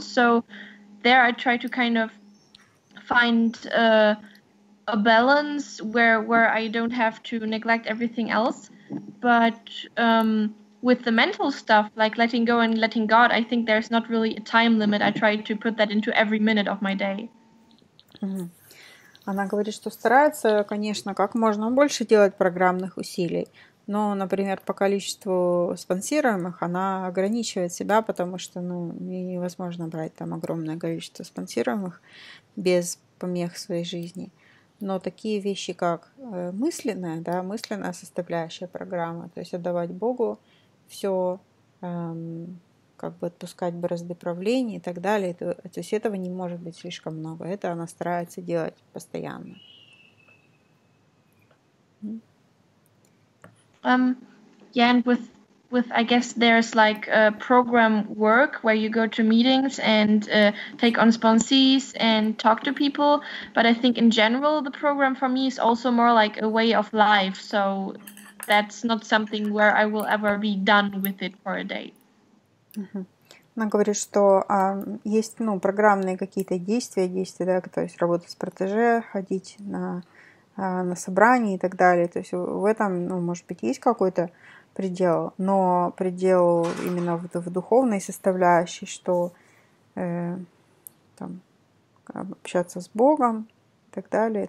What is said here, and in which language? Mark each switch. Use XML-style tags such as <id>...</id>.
<en>So there I try to kind of find a balance where I don't have to neglect everything else. But with the mental stuff, like letting go and letting God, I think there's not really a time limit. I try to put that into every minute of my day. Mm-hmm.</en> <ru>Она говорит, что старается, конечно, как можно больше делать программных усилий, но, например, по количеству спонсируемых она ограничивает себя, потому что, ну, невозможно брать там огромное количество спонсируемых без помех в своей жизни. Но такие вещи, как мысленная, да, мысленная составляющая программы, то есть отдавать Богу все, как бы отпускать борозды правления и так далее. То есть этого не может быть слишком много. Это она старается делать постоянно.</ru> <en>Yeah, and with I guess there's like a program work where you go to meetings and take on sponsees and talk to people. But I think in general the program for me is also more like a way of life. So that's not something where I will ever be done with it for a day.</en> <ru>Она говорит, что есть, ну, программные какие-то действия, да, то есть работать с протеже, ходить на собрание и так далее. То есть в этом, ну, может быть, есть какой-то предел, но предел именно в духовной составляющей, что там, общаться с Богом и так далее.</ru>